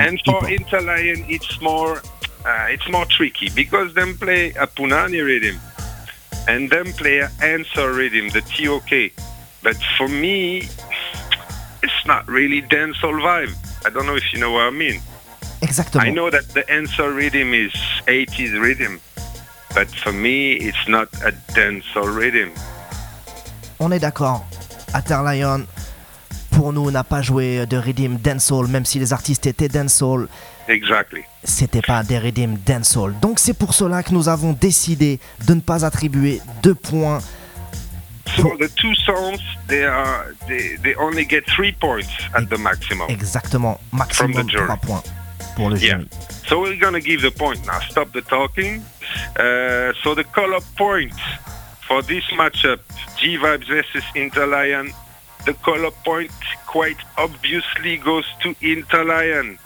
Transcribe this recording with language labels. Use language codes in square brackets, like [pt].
[en] And for Interlion, it's more tricky because them play a Punani rhythm and them play an answer rhythm, the TOK. But for me, it's not really dancehall vibe. I don't know if you know what I mean. [fr] Exactement. [en] I know that the answer rhythm is 80s rhythm, but for me, it's not a dancehall rhythm. [fr] On est d'accord. Interlion, pour nous, n'a pas joué de rhythm dancehall, même si les artistes étaient dancehall. [en] Exactly. [fr] C'était pas des rhythm dancehall. Donc c'est pour cela que nous avons décidé de ne pas attribuer deux points. [en] So the two songs, they only get 3 points at the maximum. [fr] Exactement, maximum 3 points pour le jury. [en] Yeah. So we're gonna give the point now. Stop the talking. So the call-up point for this matchup, G-Vibes versus Interlion, the call-up point quite obviously goes to Interlion.